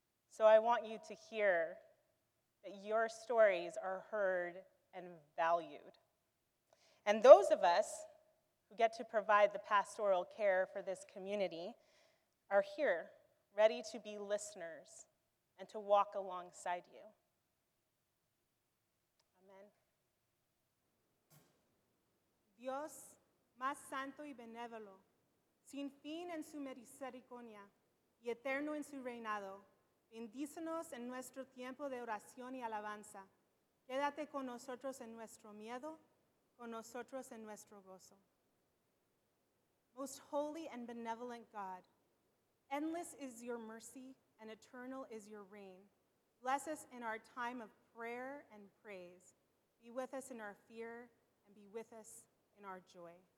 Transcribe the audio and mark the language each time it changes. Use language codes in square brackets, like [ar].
[en] So I want you to hear that your stories are heard and valued. And those of us who get to provide the pastoral care for this community are here, ready to be listeners and to walk alongside you. Amen. [es] Dios más santo y benévolo, sin fin en su misericordia y eterno en su reinado, bendícenos en nuestro tiempo de oración y alabanza. Quédate con nosotros en nuestro miedo, con nosotros en nuestro gozo. [en] Most holy and benevolent God, endless is your mercy and eternal is your reign. Bless us in our time of prayer and praise. Be with us in our fear and be with us in our joy.